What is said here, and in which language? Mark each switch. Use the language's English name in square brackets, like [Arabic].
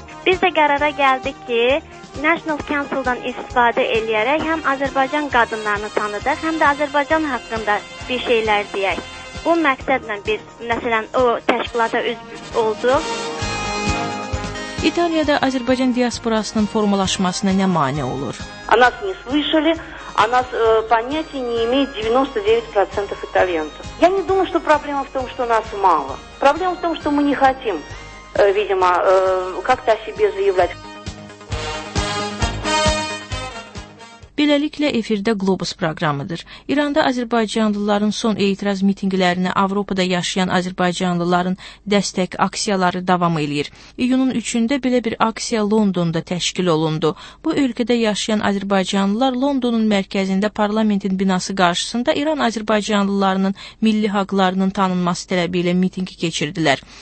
[Azerbaijani] Biz də qərara gəldik ki, National Council-dan istifadə eləyərək həm Azərbaycan qadınlarını tanıdaq, həm də Azərbaycan haqqında bir şeylər deyək. Bu məqsədlə biz, məsələn, o təşkilata üzv olduq. İtaliyada Azərbaycan diasporasının formalaşmasına nə mane olur? [Russian] Anas не слышали, а нас понятия не имеет 99% итальянцев. Я не думаю, что проблема в том, что нас мало. Проблема в том, что мы не хотим, видимо, как-то о себе заявлять. [Azerbaijani] Beləliklə, efirdə Globus proqramıdır. İranda azərbaycanlıların son etiraz mitinqlərinə Avropada yaşayan azərbaycanlıların dəstək aksiyaları davam edir. İyunun 3-də belə bir aksiya Londonda təşkil olundu. Bu ölkədə yaşayan azərbaycanlılar Londonun mərkəzində parlamentin binası qarşısında İran azərbaycanlılarının milli haqlarının tanınması tələbi ilə mitingi keçirdilər.